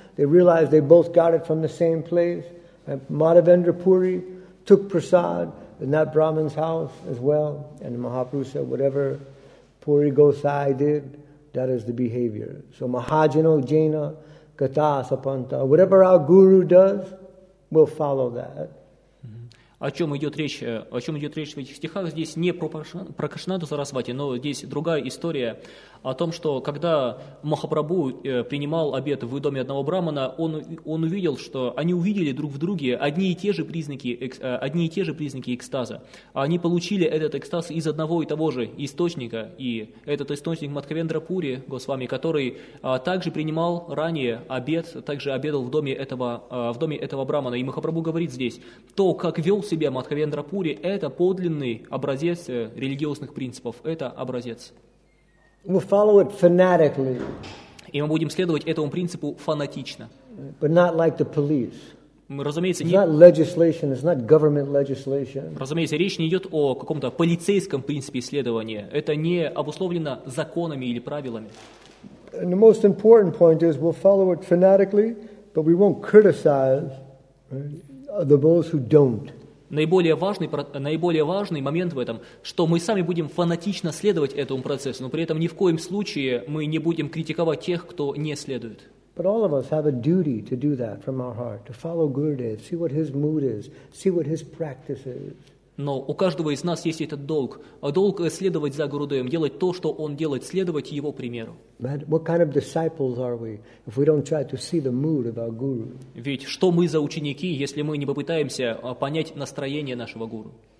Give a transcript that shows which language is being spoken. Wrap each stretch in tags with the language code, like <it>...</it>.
<en>They realized they both got it from the same place. Madhavendra Puri took prasad in that Brahmin's house as well. And Mahaprabhu said, whatever Puri Gosai did, that is the behavior. So</en> <sa>Mahajano Jaina Gata Sapanta,</sa> <en>whatever our guru does, we'll follow that.</en> <ru>О чем идет речь в этих стихах? Здесь не про Прокашинаду Сарасвати, но здесь другая история о том, что когда Махапрабху принимал обет в доме одного брахмана, он увидел, что они увидели друг в друге одни и те же признаки экстаза. Они получили этот экстаз из одного и того же источника, и этот источник Мадхавендра Пури Госвами, который также принимал ранее обет, также обедал в доме этого брахмана. И Махапрабху говорит здесь, то, как вел себя Мадхавендра Пури, это подлинный образец религиозных принципов, это образец.</ru> <en>We'll follow it fanatically.</en> <ru>И мы будем следовать этому принципу фанатично.</ru> <en>But not like the police.</en> <ru>Разумеется,</ru> <en>it's not legislation, it's not government legislation.</en> <ru>Разумеется, речь не идет о каком-то полицейском принципе исследования. Это не обусловлено законами или правилами.</ru> <en>And the most important point is we'll follow it fanatically, but we won't criticize the those who don't.</en> <ru>Наиболее важный момент в этом, что мы сами будем фанатично следовать этому процессу, но при этом ни в коем случае мы не будем критиковать тех, кто не следует.</ru> <en>But all of us have a duty to do that from our heart, to follow Gurudev, see what his mood is, see what his practice is.</en> <ru>Но у каждого из нас есть этот долг. Долг следовать за Гурудевом, делать то, что он делает, следовать его примеру. Ведь что мы за ученики, если мы не попытаемся понять настроение нашего гуру?</ru>